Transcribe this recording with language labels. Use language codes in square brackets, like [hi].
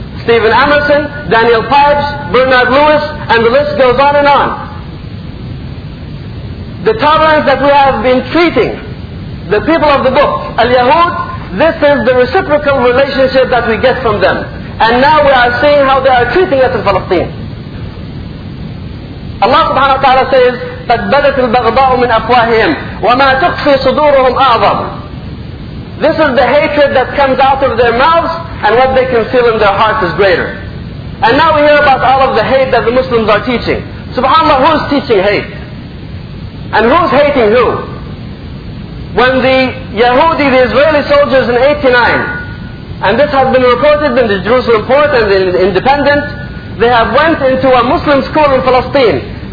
[en] Stephen Emerson, Daniel Pipes, Bernard Lewis, and the list goes on and on. The tolerance that we have been treating the people of the book, al-Yahud, this is the reciprocal relationship that we get from them. And now we are seeing how they are treating us in Palestine. Allah subhanahu wa ta'ala says, [ar] فَتْبَدَتِ الْبَغْضَاءُ مِنْ أَفْوَاهِهِمْ وَمَا تُخْفِي صُدُورُهُمْ أَعْظَمُ. [en] This is the hatred that comes out of their mouths, and what they conceal in their hearts is greater. And now we hear about all of the hate that the Muslims are teaching. SubhanAllah, who is teaching hate? And who's hating who? When the Yahudi, the Israeli soldiers in 89, and this has been reported in the Jerusalem Post and the Independent, they have went into a Muslim school in Palestine.